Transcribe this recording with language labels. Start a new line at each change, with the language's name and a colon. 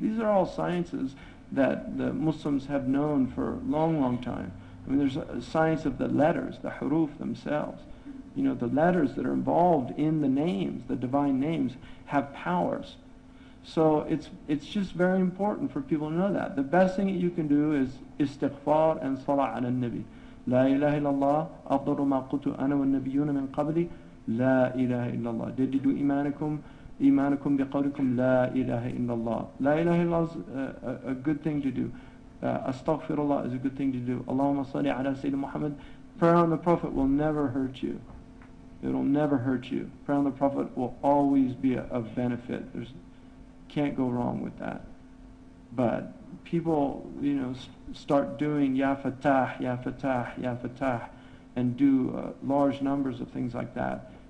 English: These are all sciences that the Muslims have known for a long, long time. I mean, there's a science of the letters, the huruf themselves. You know, the letters that are involved in the names, the divine names, have powers. So it's just very important for people to know that. The best thing that you can do is istighfar and salah ala nabi.
Arabic: لا إله إلا الله أفضل ما قلت أنا والنبيون من قبلي لا إله إلا الله جددوا إيمانكم إيمانكم بقولكم لا إله إلا الله لا إله إلا الله
English: is a good thing to do.
Arabic: أستغفر الله
English: is a good thing to do.
Arabic: اللهم صل على سيدنا محمد.
English: Prayer on the Prophet will never hurt you. It will never hurt you. Prayer on the Prophet will always be a benefit. There's can't go wrong with that. But people, you know, start doing Ya Fatah, Ya Fatah, Ya Fatah, and do large numbers of things like that.